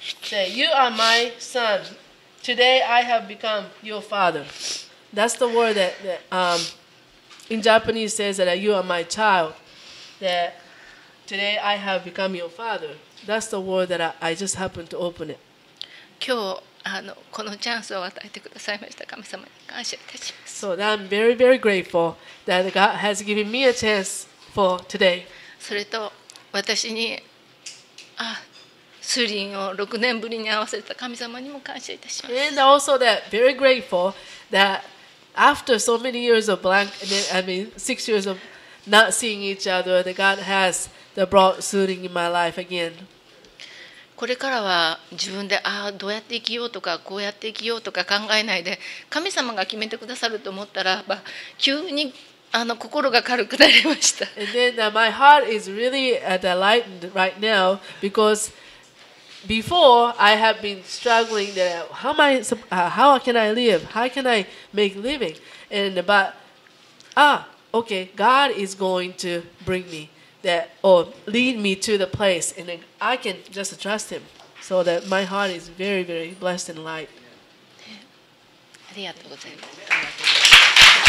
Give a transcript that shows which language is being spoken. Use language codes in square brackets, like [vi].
[en] That you are my son. Today I have become your father. That's the word that in Japanese says that you are my child. That today I have become your father. That's the word that I just happened to open it. [ja] 今日このチャンスを与えてくださいました神様に感謝いたします。 [en] So I'm very, very grateful that God has given me a chance for today. [ja] それと私にスリンを6年ぶりに会わせた神様にも感謝いたします。 [en] And also that very grateful that after so many years of blank, I mean 6 years of not seeing each other, that God has. That brought soothing in my life again. [ja] これからは自分でどうやって生きようとかこうやって生きようとか考えないで神様が決めてくださると思ったら、まあ、急に心が軽くなりました。 [en] And then my heart is really lightened right now because before I have been struggling that how can I live? How can I make living? And but okay, God is going to bring me that or lead me to the place and I can just trust him so that my heart is very, very blessed and light. [ja] ありがとうございます。